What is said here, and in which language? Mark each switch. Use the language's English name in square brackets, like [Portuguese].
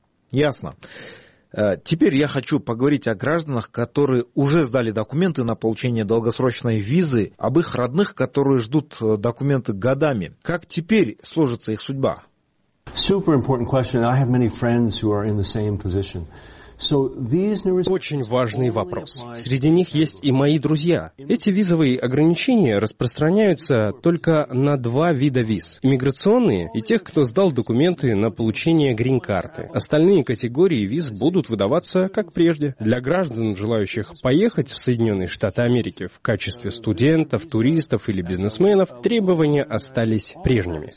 [Russian] Ясно. Теперь я хочу поговорить о гражданах, которые уже сдали документы на получение долгосрочной визы, об их родных, которые ждут документы годами. Как теперь сложится их судьба? [English] Super important question. I have many friends who are in the same position. [Russian] Очень важный вопрос. Среди них есть и мои друзья. Эти визовые ограничения распространяются только на два вида виз. Иммиграционные и тех, кто сдал документы на получение грин-карты. Остальные категории виз будут выдаваться, как прежде. Для граждан, желающих поехать в Соединенные Штаты Америки в качестве студентов, туристов или бизнесменов, требования остались прежними.